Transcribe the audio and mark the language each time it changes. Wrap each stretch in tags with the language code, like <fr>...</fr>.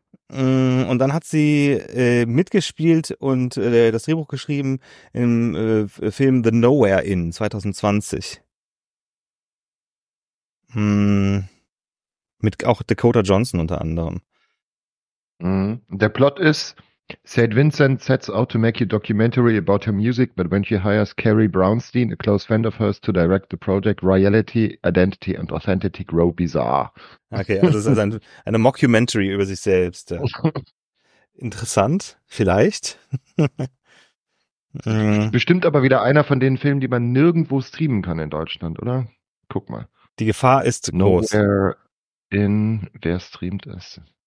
<de>Und dann hat sie mitgespielt und das Drehbuch geschrieben im Film The Nowhere Inn 2020. Mit auch Dakota Johnson unter anderem. Der Plot ist, St.</de> <en>Vincent sets out to make a documentary about her music, but when she hires Carrie Brownstein, a close friend of hers, to direct the project, reality, identity and authenticity grow bizarre.</en> <de>Okay, also es ist eine Mockumentary über sich selbst. Interessant, vielleicht. Bestimmt aber wieder einer von den Filmen, die man nirgendwo streamen kann in Deutschland, oder? Guck mal. Die Gefahr ist groß. Nowhere in, wer streamt es?</de>